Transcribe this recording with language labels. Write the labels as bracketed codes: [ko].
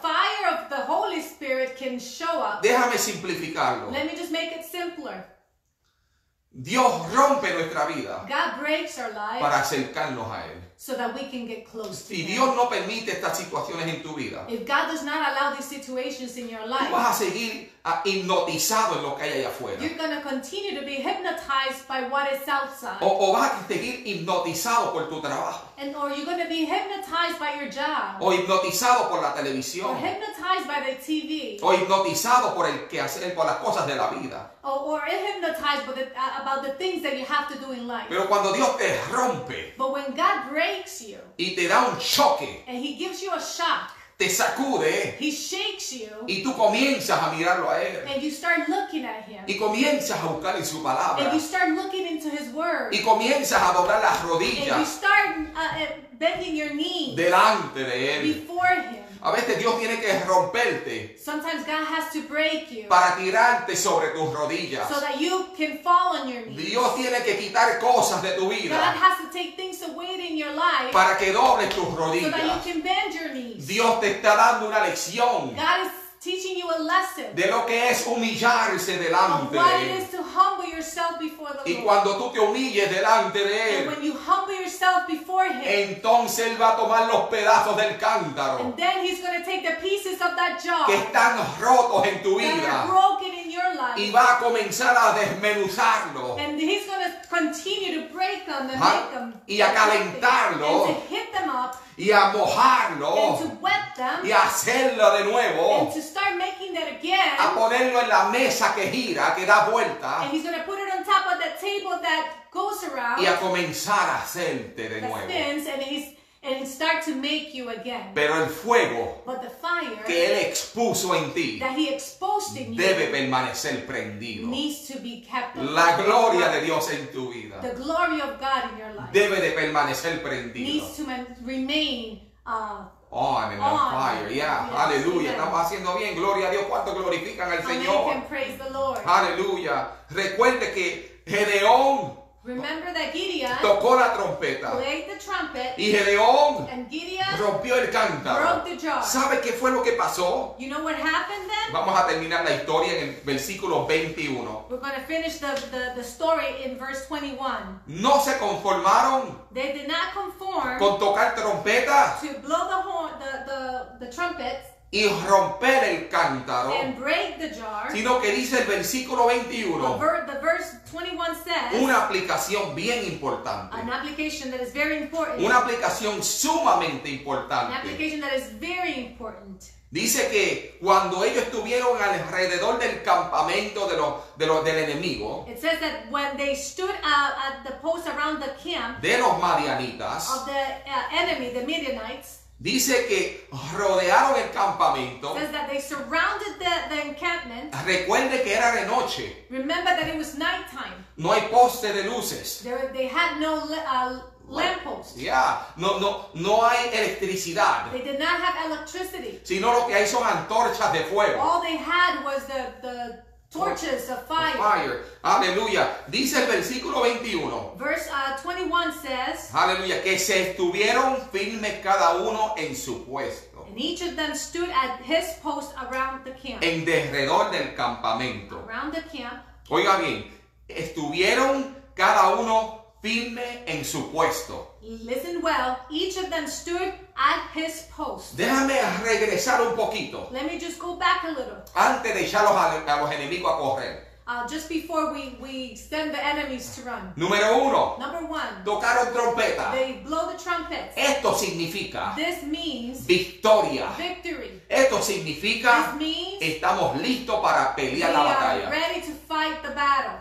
[en] That the fire of the Holy Spirit can show up. [es] Déjame simplificarlo. [en] Let me just make it simpler. [es] Dios rompe nuestra vida, [en] God breaks our lives, [es] para acercarnos a él, [en] so that we can get close to [es] si [en] him. [es] Dios no permite estas situaciones en tu vida, [en] if God does not allow these situations in your life, [es] vas a seguir hipnotizado en lo que hay allá afuera. [en] You're going to continue to be hypnotized by what is outside. [es] O vas a seguir hipnotizado por tu trabajo. [en] And or you're going to be hypnotized by your job. [es] O hipnotizado por la televisión. [en] Or hypnotized by the TV. [es] O hipnotizado por el quehacer, por las cosas de la vida. [en] Or hypnotized about the things that you have to do in life. [es] Pero cuando Dios te rompe. [en] But when God breaks you. [es] Y te da un choque. [en] And he gives you a shock. [es] Te sacude. [en] He shakes you. [es] Y tú comienzas a mirarlo a él. [en] And you start looking at him. [es] Y comienzas a buscar en su palabra. [en] And you start looking into his word. [es] Y comienzas a doblar las rodillas. [en] And you start bending your knees. [es] Delante de él. [en] Before him. [es] A veces Dios tiene que romperte. [en] Sometimes God has to break you. [es] Para tirarte sobre tus rodillas. [en] So that you can fall on your knees. [es] Dios tiene que quitar cosas de tu vida. [en] God has to take things away in your life. [es] Para que dobles tus rodillas. [en] So that you can bend your knees. [es] Dios te está dando una lección. [en] God is teaching you a lesson. [es] De lo que es humillarse delante de él. [en] What it is to humble yourself before the Lord. [es] Y cuando tú te humilles delante de él. [en] And when you humble yourself before him. [es] Entonces él va a tomar los pedazos del cántaro. [en] And then he's going to take the pieces of that jar. [es] Que están rotos en tu vida. [en] That are broken in your life. [es] Y va a comenzar a desmenuzarlo. [en] And he's going to continue to break them and make them. [es] Y a calentarlo. [en] And to hit them up. [es] Y a mojarlo. [en] And to wet them. [es] Y a hacerlo de nuevo. [en] And to start making that again. [es] A ponerlo en la mesa que gira, que da vuelta. [en] And he's going to put it on top of that table that goes around. [es] Y a comenzar a hacerte de nuevo. [en] And start to make you again. [es] Pero el fuego. [en] But the fire. [es] Que él expuso en ti. [en] That he exposed in you. [es] Debe permanecer prendido. [en] Needs to be kept. [es] La gloria de Dios en tu vida. [en] The glory of God in your life. [es] Debe de permanecer prendido. [en] Needs to remain on and on fire. Yeah. Yes, [es] aleluya. [en] Yes. [es] Estamos haciendo bien. Gloria a Dios. ¿Cuánto glorifican al [en] How [es] Señor? [en] How many can praise the Lord? [es] Aleluya. Recuerde que Gedeón. [en] Remember that Gideon [es] tocó la trompeta, [en] played the trumpet, [es] y Gedeón rompió el cántaro. [en] Broke the jar. [es] ¿Sabe qué fue lo que pasó? [en] You know what happened then? [es] Vamos a terminar la historia en el versículo 21. [en] We're going to finish the story in verse 21. [es] No se conformaron. [en] They did not conform [es] con tocar trompeta. [en] To blow the horn, the trumpets. [es] Y romper el cántaro. [en] And break the jar. [es] Sino que dice el versículo 21. [en] The verse 21 says. [es] Una aplicación bien importante. [en] An application that is very important. [es] Una aplicación sumamente importante. [en] An application that is very important. [es] Dice que cuando ellos estuvieron alrededor del campamento del enemigo. [en] It says that when they stood at the post around the camp. [es] De los Madianitas. [en] Of the enemy, the Midianites. [es] Dice que rodearon el campamento. [en] Says that they surrounded the encampment. [es] Recuerde que era de noche. [en] Remember that it was nighttime. [es] No hay poste de luces. [en] They had no lamppost. [es] Yeah. No hay electricidad. [en] They did not have electricity. [es] Sino lo que hay son antorchas de fuego. [en] All they had was the torches of fire. [es] Fire. Aleluya. Dice el versículo 21. [en] Verse 21 says. [es] Aleluya. Que se estuvieron firmes cada uno en su puesto. [en] And each of them stood at his post around the camp. [es] En derredor del campamento. [en] Around the camp. [es] Oiga bien. Estuvieron cada uno firme en su puesto. [en] Listen well. Each of them stood at his post. [es] Déjame regresar un poquito. [en] Let me just go back a little. [es] Antes de echar a los enemigos a correr. [en] Just before we send the enemies to run. [es] Número uno. [en] Number one. [es] Tocaron trompeta. [en] They blow the trumpets. [es] Esto significa. [en] This means. [es] Victoria. [en] Victory. [es] Esto significa. [en] This means. [es] Estamos listos para pelear la batalla. [en] We are ready to fight the battle.